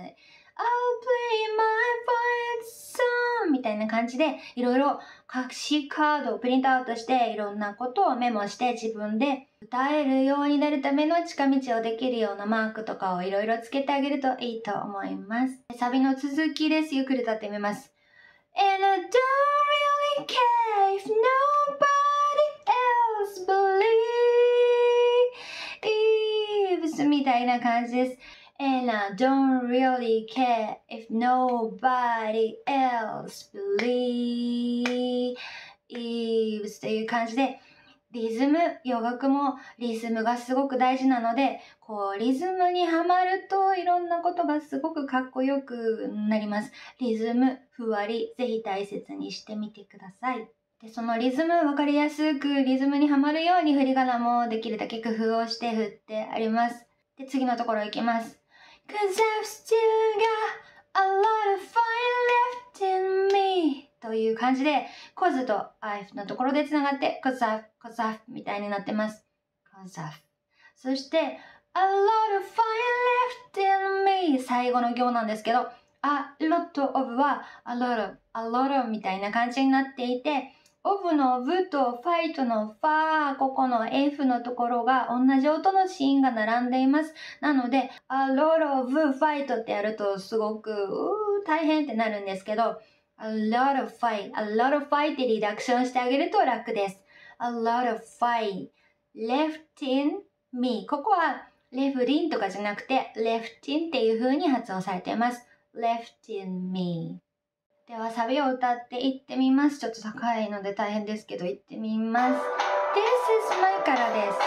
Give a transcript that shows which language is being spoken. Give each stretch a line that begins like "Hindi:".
English: I'll play my fight song
Japanese: みたいな感じでいろいろ隠しカードをプリントアウトしていろんなことをメモして自分で歌えるようになるための近道をできるようなマークとかをいろいろつけてあげるといいと思います。サビの続きです。ゆっくり歌ってみます。
English: And I don't really care if nobody else believes
Japanese: みたいな感じです。
English: And I don't really care if nobody else believes
Japanese: という感じで、リズム、洋楽もリズムがすごく大事なので、こう、リズムにはまるといろんなことがすごくかっこよくなります。リズム、ふわり、ぜひ大切にしてみてください。で、そのリズム、わかりやすくリズムにはまるように振り仮名もできるだけ工夫をして振ってあります。で、次のところ行きます。
English: Cause I've still got a lot of fight left in me
Japanese: という感じで Cause と I've のところでつながって Cause I've, Cause I've みたいになってます。 Cause I've そして
English: A lot of fight left in me
Japanese: 最後の行なんですけど A lot of は A lot of, A lot of みたいな感じになっていて Of の V と Fight の Fa ここの F のところが同じ音のシーンが並んでいます。なので
English: A lot of fight
Japanese: ってやるとすごく大変ってなるんですけど A lot of fight, A lot of fight ってリダクションしてあげると楽です。
English: A lot of fight left in me
Japanese: ここはレフリンとかじゃなくて left in っていう風に発音されています。
English: left in me。
Japanese: ではサビを歌っていってみます。ちょっと高いので大変ですけどいってみます。
English: This is my
Japanese: からです。